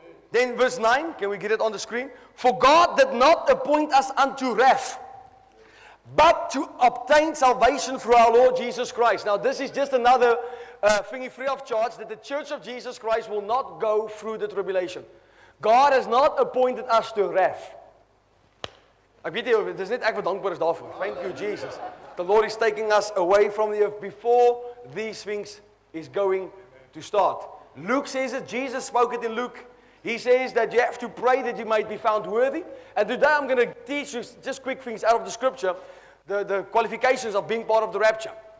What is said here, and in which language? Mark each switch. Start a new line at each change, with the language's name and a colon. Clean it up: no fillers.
English: Then verse 9, can we get it on the screen? For God did not appoint us unto wrath, but to obtain salvation through our Lord Jesus Christ. Now, this is just another thingy free of charge, that the church of Jesus Christ will not go through the tribulation. God has not appointed us to wrath.
Afrikaans: Ek weet nie, dis net ek wat dankbaar is daarvoor.
English: Thank you, Jesus. The Lord is taking us away from the earth before these things is going to start. Luke says it. Jesus spoke it in Luke. He says that you have to pray that you might be found worthy. And today I'm going to teach you just quick things out of the scripture, the qualifications of being part of the rapture.